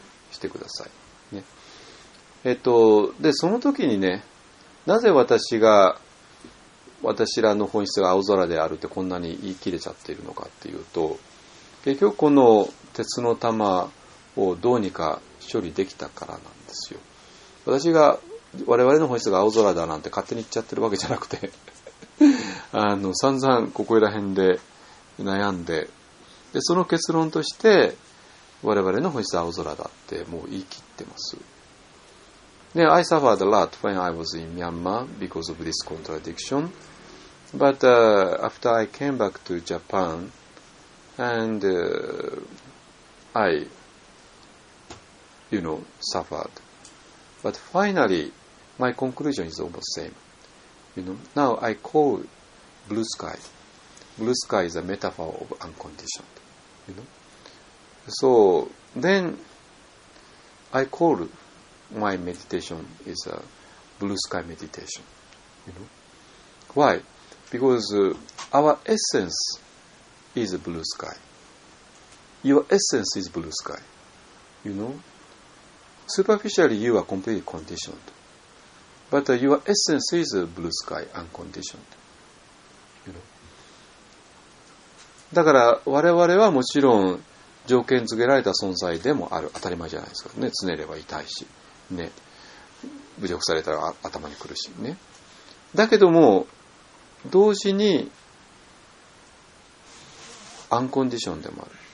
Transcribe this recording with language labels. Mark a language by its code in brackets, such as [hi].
[ja] してください、ね、でその時にね、なぜ私らの本質が青空であるってこんなに言い切れちゃっているのかっていうと、結局この鉄の玉をどうにか処理できたからなんですよ。私が我々の本質が青空だなんて勝手に言っちゃってるわけじゃなくて散々ここら辺で悩ん でその結論として我々の本質は青空だってもう言い切ってます。 [en] で、I suffered a lot when I was in Myanmar because of this contradiction. But after I came back to Japan and I, you know, suffered. But finally, my conclusion is almost the same. You know, now I call blue sky. Blue sky is a metaphor of unconditioned. You know? So then I call my meditation is a blue sky meditation, you know. Why? Because our essence is a blue sky. Your essence is blue sky, you know. Superficially you are completely conditioned. But your essence is a blue sky, unconditioned, you know. [ja] だから我々はもちろん条件付けられた存在でもある。当たり前じゃないですかね。常れば痛いしね。侮辱されたら頭に来るしね。だけども同時にアンコンディションでもある。